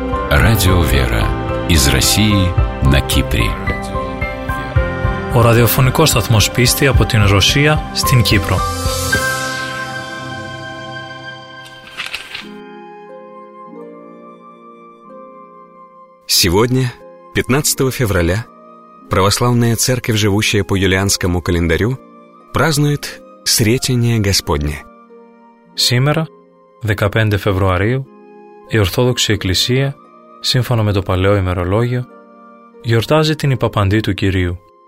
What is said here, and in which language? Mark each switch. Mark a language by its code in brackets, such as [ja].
[ru] Радио «Вера» из России на Кипре. [el] Ο ραδιοφωνικός σταθμός πίστη από την Ρωσία στην Κύπρο. [ru] Сегодня, 15 февраля, православная церковь, живущая по юлианскому календарю, празднует Сретение Господне. Сегодня, 15 февраля, [el] η Ορθόδοξη Εκκλησία, σύμφωνα με το παλαιό ημερολόγιο, γιορτάζει την υπαπαντή του Κυρίου.